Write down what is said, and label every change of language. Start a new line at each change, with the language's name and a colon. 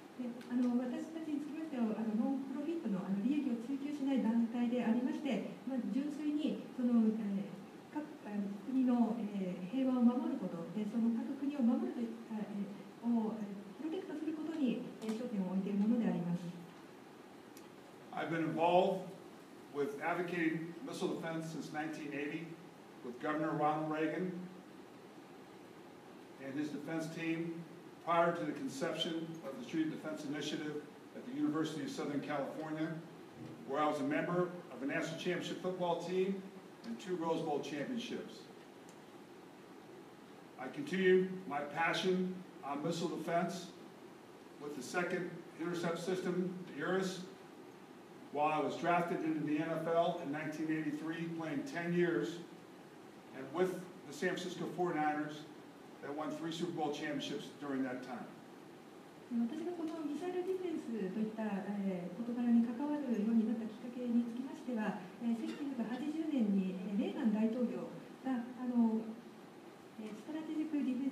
Japanese: で、私たちにつきましてはノンプロフィットの利益を追求しない団体でありまして、まあ、純粋にその各国の平和を守ること、でその各国を守るといったをプロテクトすることに焦点を置いているものであります。
English: I've been involved with advocating missile defense since 1980 with Governor Ronald Reagan and his defense team prior to the conception of the Strategic Defense Initiative at the University of Southern California, where I was a member of a national championship football team and two Rose Bowl championships. I continue my passion on missile defense with the second intercept system, the IRIS, while I was drafted into the NFL in 1983, playing 10 years, and with the San Francisco 49ers that won three Super Bowl championships during that time.
Japanese: 私がこのミサイルディフェンスといった事柄に関わるようになったきっかけにつきましては、1980年にレーガン大統領がストラテジック